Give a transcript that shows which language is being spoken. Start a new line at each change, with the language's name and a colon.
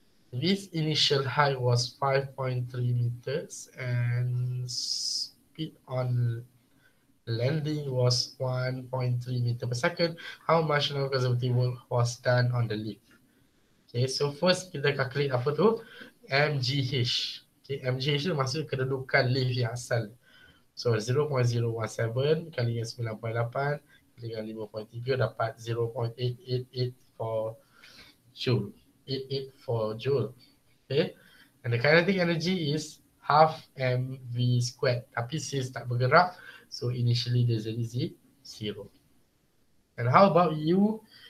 English: This initial height was 5.3 meters and speed on landing was 1.3 meter per second. How much non-conservative work was done on the leaf?
Malay: Okay, so first kita calculate apa tu? MGH. Okay, MGH tu maksud kedudukan leaf yang asal. So 0.017 kali dengan 9.8 kali dengan 5.3 dapat 0.8884 joule. Okay.
English: And the kinetic energy is half mv squared.
Malay: Tapi sis tak bergerak.
English: So initially the is zero. And how about you?